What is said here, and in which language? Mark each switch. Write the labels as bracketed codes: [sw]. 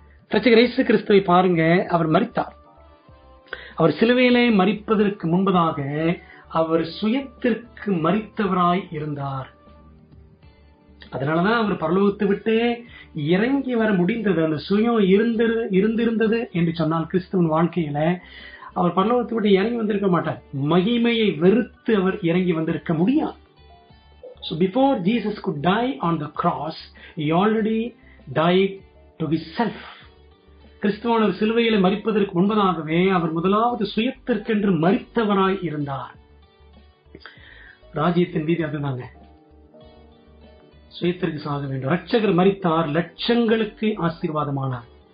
[ta] பிரச்சகர் இயேசு கிறிஸ்துவை பாருங்க, அவர் மரித்தார். அவர் சிலுவையிலே மரிப்பதற்கு முன்பதாக அவர் சுயத்திற்கு மரித்தவராய் இருந்தார். அதனாலதான் அவர் பரலோகத்தை விட்டு இறங்கி வர முடிந்தது. அந்த சுயம் இருந்திருந்தது என்று சொன்னால், கிறிஸ்துவின் வாழ்க்கையில அவர் பரலோகத்தை விட்டு இறங்கி வந்திருக்க மாட்டார். மகிமையை வெறுத்து அவர் இறங்கி வந்திருக்க முடியாது. [en] So before Jesus could die on the cross, he already died to his self. [ta] கிறிஸ்துவானவர் சிலுவையில மரிப்பதற்கு முன்பதாகவே அவர் முதலாவது சுயத்திற்கென்று மரித்தவராய் இருந்தார். ராஜ்யத்தின் வீதி அதுதாங்க, சுயத்திற்கு சாக வேண்டும். இரட்சகர் மரித்தார், லட்சங்களுக்கு ஆசீர்வாதமானார்.